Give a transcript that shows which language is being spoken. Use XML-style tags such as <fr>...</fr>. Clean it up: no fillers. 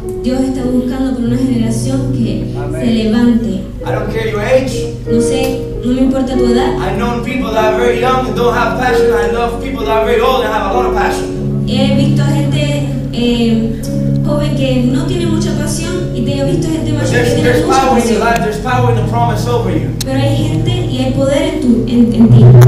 <es>Dios está buscando por una generación que se levante.</es> <en>I don't care your age.</en> <es>No sé, no me importa tu edad.</es> <en>I know people that are very young and don't have passion. I love people that are very old and have a lot of passion.</en> <es>He visto a gente joven que no tiene mucha pasión y te he visto gente mayor que tiene mucha pasión.</es> <en>There's power in your life. There's power in the promise over you.</en> <es>Pero hay gente y hay poder en ti.</es>